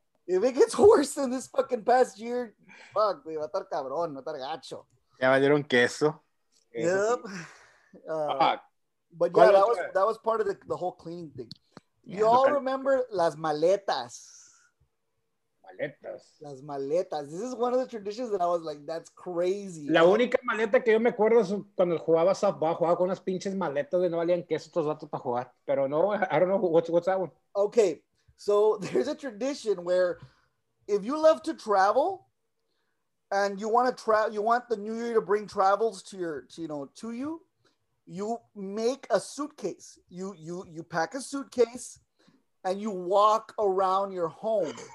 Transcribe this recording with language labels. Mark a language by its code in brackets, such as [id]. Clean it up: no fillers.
[en] If it gets worse than this fucking past year, fuck, [es] va a estar cabrón, va a estar gacho. Ya me dieron queso. [en] Yep. But yeah, that was part of the whole cleaning thing. Y'all remember [es] las maletas. Maletas. Las maletas. [en] This is one of the traditions that I was like, that's crazy. [es] La única maleta que yo me acuerdo es cuando jugaba softball, jugaba con unas pinches maletas de no valían queso estos datos para jugar. [en] Pero no, I don't know, what's that one? Okay. So there's a tradition where if you love to travel and you want to travel, you want the new year to bring travels to your, to, you know, to you, you make a suitcase. You pack a suitcase and you walk around your home.